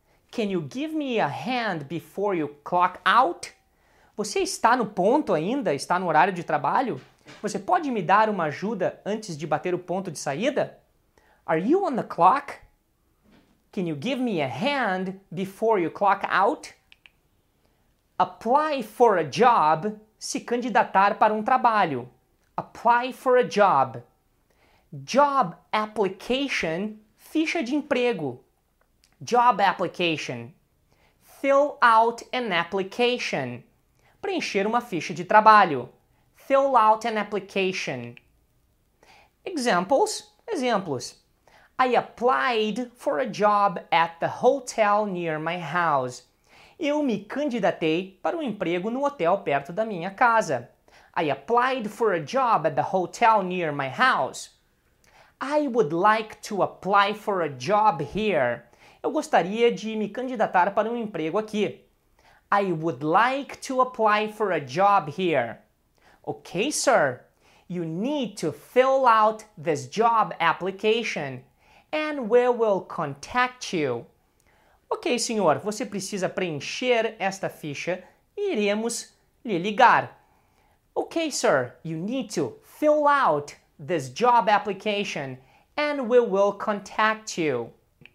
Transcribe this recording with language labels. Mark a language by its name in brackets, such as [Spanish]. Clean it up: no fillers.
[English] Can you give me a hand before you clock out? [Portuguese] Você está no ponto ainda? Está no horário de trabalho? Você pode me dar uma ajuda antes de bater o ponto de saída? [English] Are you on the clock? Can you give me a hand before you clock out? Apply for a job, [Portuguese] se candidatar para um trabalho. [English] Apply for a job. Job application, [Portuguese] ficha de emprego. [English] Job application. Fill out an application, [Portuguese] preencher uma ficha de trabalho. [English] Fill out an application. Examples. I applied for a job at the hotel near my house. [Portuguese] Eu me candidatei para um emprego no hotel perto da minha casa. [English] I applied for a job at the hotel near my house. I would like to apply for a job here. [Portuguese] Eu gostaria de me candidatar para um emprego aqui. [English] I would like to apply for a job here. Okay, sir. You need to fill out this job application and we will contact you. [Portuguese] Ok, senhor, você precisa preencher esta ficha e iremos lhe ligar. [English] Ok, sir, you need to fill out this job application and we will contact you.